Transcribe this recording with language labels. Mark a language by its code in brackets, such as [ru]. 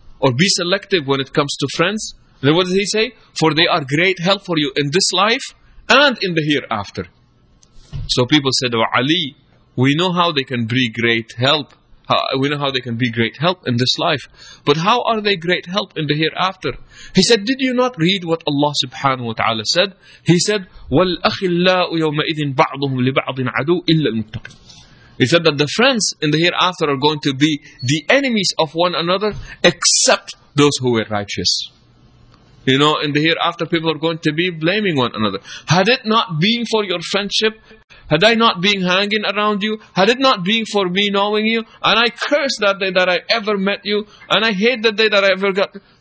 [en] Or be selective when it comes to friends. And then what did he say? For they are great help for you in this life and in the hereafter. So people said, Ali, we know how they can be great help. We know how they can be great help in this life. But how are they great help in the hereafter? He said, did you not read what Allah subhanahu wa ta'ala said? [ar] He said, وَالْأَخِلَّاءُ يَوْمَئِذٍ بَعْضُهُمْ لِبَعْضٍ عَدُوٍ إِلَّا الْمُتَّقِينَ. [en] He said that the friends in the hereafter are going to be the enemies of one another except those who were righteous. You know, in the hereafter people are going to be blaming one another. Had it not been for your friendship, had I not been hanging around you, had it not been for me knowing you, and I curse that day that I ever met you, and I hate that day that I ever got...